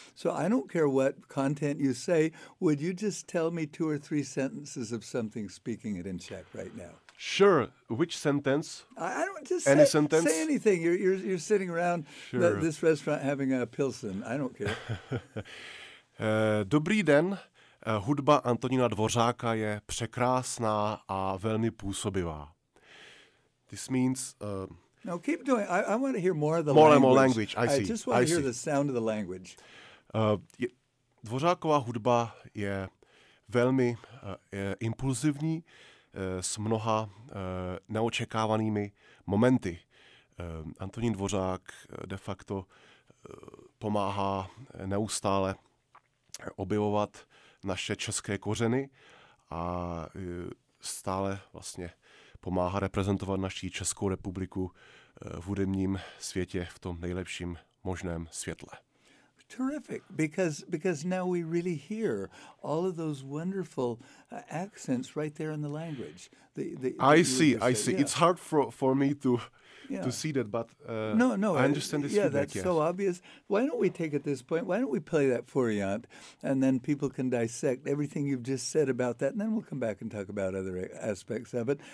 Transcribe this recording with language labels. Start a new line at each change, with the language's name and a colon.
English: So I don't care what content you say. Would you just tell me two or three sentences of something speaking it in Czech right now? Sure. Which sentence? I don't just say, any sentence? Say anything. You're sitting around this restaurant having a pilsen. I don't care.
Czech: Dobrý den. Hudba Antonína Dvořáka je překrásná a velmi působivá.
English: This means... No, keep doing. I want to hear more of the more language. More language. I see. I just want to hear the sound of the language.
Czech: Dvořáková hudba je velmi impulzivní, s mnoha neočekávanými momenty. Antonín Dvořák de facto pomáhá neustále objevovat naše české kořeny a stále vlastně pomáhá reprezentovat naši Českou republiku v hudebním světě v tom nejlepším možném světle.
English: terrific, because now we really hear all of those wonderful accents right there in the language. I see. Yeah. It's hard for me to see that, but no, I understand this feedback, that's so obvious. Why don't we take at this point, why don't we play that Fourriant, and then people can dissect everything you've just said about that, and then we'll come back and talk about other aspects of it.